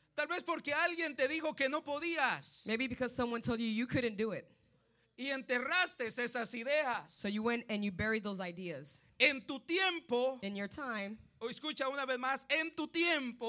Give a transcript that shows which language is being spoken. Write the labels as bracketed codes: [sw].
[es] Tal vez porque alguien te dijo que no podías. [en] Maybe because someone told you couldn't do it. [es] Y enterraste esas ideas. [en] So you went and you buried those ideas. [es] En tu tiempo. [en] In your time. [es] O escucha una vez más, en tu tiempo.